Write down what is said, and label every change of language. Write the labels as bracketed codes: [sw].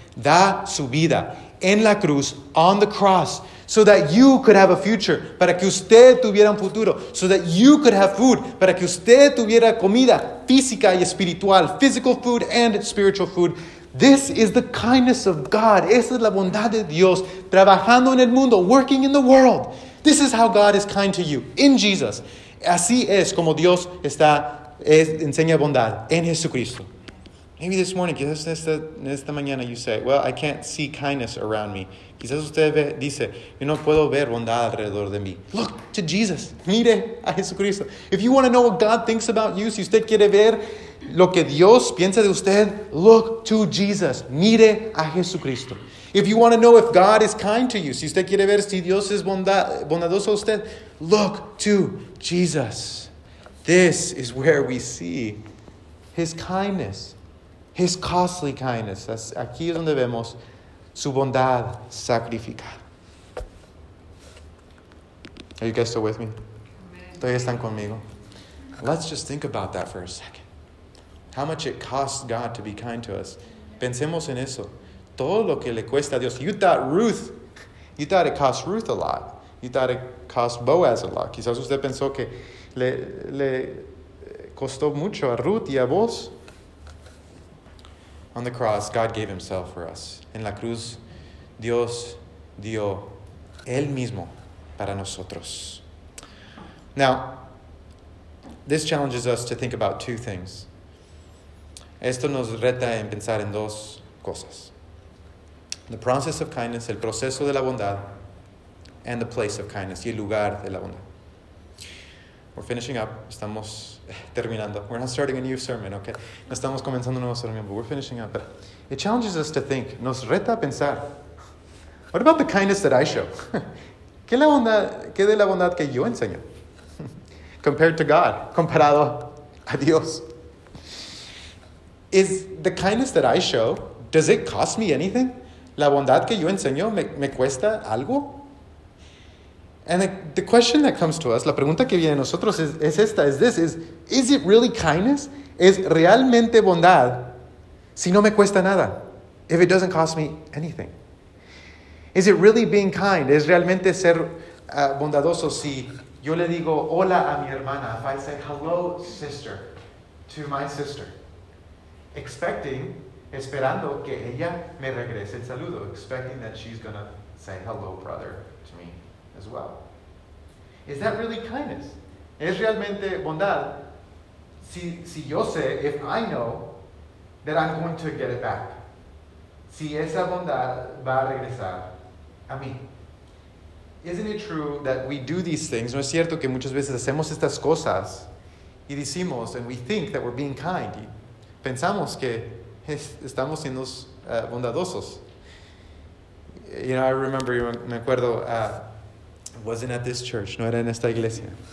[es] Da su vida en la cruz, [en] on the cross, so that you could have a future, [es] para que usted tuviera un futuro, [en] so that you could have food, [es] para que usted tuviera comida física y espiritual, [en] physical food and spiritual food. This is the kindness of God. [es] Esa es la bondad de Dios, trabajando en el mundo, [en] working in the world. This is how God is kind to you, in Jesus. [es] Así es como Dios está, enseña bondad en Jesucristo. [en] Maybe this morning, [es] quizás esta mañana, [en] you say, well, I can't see kindness around me. [es] Quizás usted ve, dice, yo no puedo ver bondad alrededor de mí. [en] Look to Jesus. [es] Mire a Jesucristo. [en] If you want to know what God thinks about you, [es] si usted quiere ver lo que Dios piensa de usted, [en] look to Jesus. [es] Mire a Jesucristo. [en] If you want to know if God is kind to you, [es] si usted quiere ver si Dios es bondadoso a usted, [en] look to Jesus. This is where we see his kindness, his costly kindness. [es] Aquí es donde vemos su bondad sacrificada. [en] Are you guys still with me? [es] ¿Todavía están conmigo? [en] Let's just think about that for a second. How much it costs God to be kind to us. [es] Pensemos en eso. Todo lo que le cuesta a Dios. [en] You thought it cost Ruth a lot. You thought it cost Boaz a lot. [es] Quizás usted pensó que le costó mucho a Ruth y a vos. [en] On the cross, God gave himself for us. [es] En la cruz, Dios dio él mismo para nosotros. [en] Now, this challenges us to think about two things. [es] Esto nos reta en pensar en dos cosas. [en] The process of kindness, [es] el proceso de la bondad, [en] and the place of kindness, [es] y el lugar de la bondad. [en] We're finishing up. [es] Estamos terminando. [en] We're not starting a new sermon, okay? [es] No estamos comenzando un nuevo sermón, [en] but we're finishing up. But it challenges us to think. [es] Nos reta a pensar. [en] What about the kindness that I show? [es] ¿Qué de la bondad que yo enseño? [en] Compared to God. [es] Comparado a Dios. [en] Is the kindness that I show, does it cost me anything? [es] ¿La bondad que yo enseño me cuesta algo? [en] And the question that comes to us, [es] la pregunta que viene a nosotros es esta, es [en] this, is it really kindness? [es] ¿Es realmente bondad si no me cuesta nada? [en] If it doesn't cost me anything. ¿Is it really being kind? [es] ¿Es realmente ser bondadoso si yo le digo hola a mi hermana? [en] If I say hello, sister, to my sister, [es] esperando que ella me regrese el saludo, [en] expecting that she's going to say hello, brother, to me as well. Is that really kindness? [es] ¿Es realmente bondad? Si yo sé, [en] if I know, that I'm going to get it back. [es] Si esa bondad va a regresar a mí. [en] Isn't it true that we do these things? [es] ¿No es cierto que muchas veces hacemos estas cosas y decimos, [en] and we think that we're being kind? [es] Y pensamos que estamos siendo bondadosos. [en] You know, I remember, [es] me acuerdo, [en] wasn't at this church. [es] No era en esta iglesia.